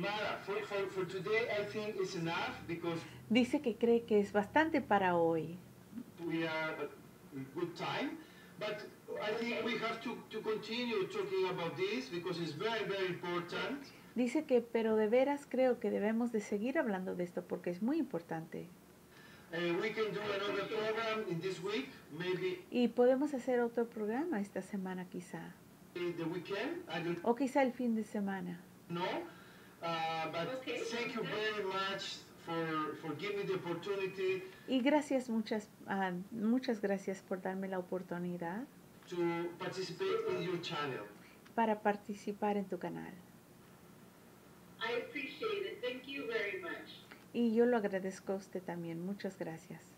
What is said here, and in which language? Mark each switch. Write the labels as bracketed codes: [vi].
[en] Mara, for today, I think it's enough because. [es] Dice que cree que es bastante para hoy. [en] We are a good time, but I think we have to continue talking about this because it's very very important. [es] Dice que, pero de veras creo que debemos de seguir hablando de esto porque es muy importante. [en] We can do another program in this week, maybe. [es] Y podemos hacer otro programa esta semana, quizá. [en] The weekend, I don't... [es] O quizá el fin de semana. [en] No, but okay. Thank you very much for giving me the opportunity. [es] Y gracias muchas gracias por darme la oportunidad. [en] To participate in your channel. [es] Para participar en tu canal. [en] I appreciate it. Thank you very much. [es] Y yo lo agradezco a usted también. Muchas gracias.